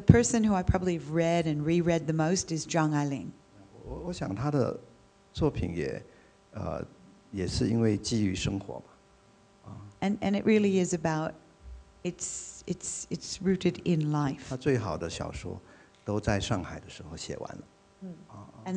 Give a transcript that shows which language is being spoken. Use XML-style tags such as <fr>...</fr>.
<en>person who I probably have read and reread the most is Zhang Ailing.</en> <zh>我想他的作品也是因为基于生活嘛。</zh> <en>And it really is about it's rooted in life.</en> <zh>她最好的小说都在上海的时候写完了。</zh> <en>And</en>